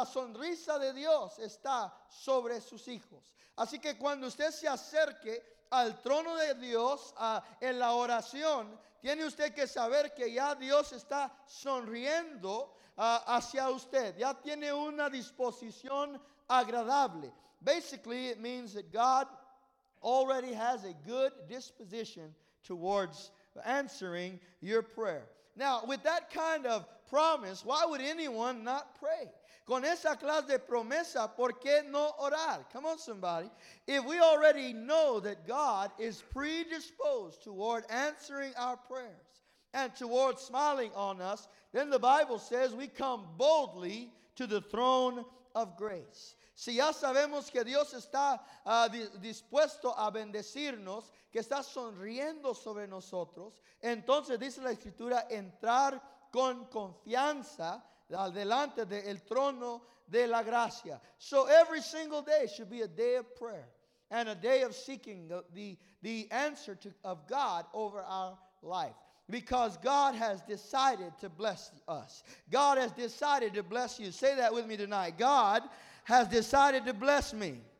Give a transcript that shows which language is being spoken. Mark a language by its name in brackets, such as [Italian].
[Spanish] La sonrisa de Dios está sobre sus hijos. Así que cuando usted se acerque al trono de Dios en la oración, tiene usted que saber que ya Dios está sonriendo hacia usted. Ya tiene una disposición agradable. [English] Basically, it means that God already has a good disposition towards answering your prayer. Now, with that kind of promise, why would anyone not pray? [Spanish] Con esa clase de promesa, ¿por qué no orar? [English] Come on, somebody. If we already know that God is predisposed toward answering our prayers and toward smiling on us, then the Bible says we come boldly to the throne of grace. [Spanish] Si ya sabemos que Dios está dispuesto a bendecirnos, que está sonriendo sobre nosotros, entonces dice la Escritura, entrar con confianza delante del trono de la gracia. [English] So every single day should be a day of prayer and a day of seeking the answer of God over our life. Because God has decided to bless us. God has decided to bless you. Say that with me tonight. God has decided to bless me.